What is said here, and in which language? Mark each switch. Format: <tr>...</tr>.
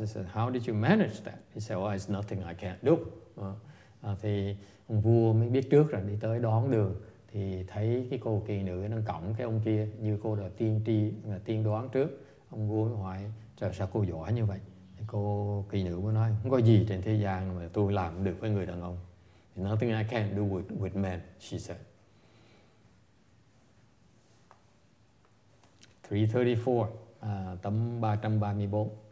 <en>He said, "How did you manage that?" He said, "Well, it's nothing I can't do."</en> <vi>Thì ông vua mới biết trước rồi, đi tới đoán đường thì thấy cái cô kỳ nữ đang cõng cái ông kia như cô đã tiên tri là tiên đoán trước. Ông vua mới hỏi, trời sao cô giỏi như vậy? Cô kỳ nữ mới nói, không có gì trên thế gian mà tôi làm được với người đàn ông.</vi> <en>Nothing I can't do with men, she said.</en> <vi>334, tấm 334.</vi>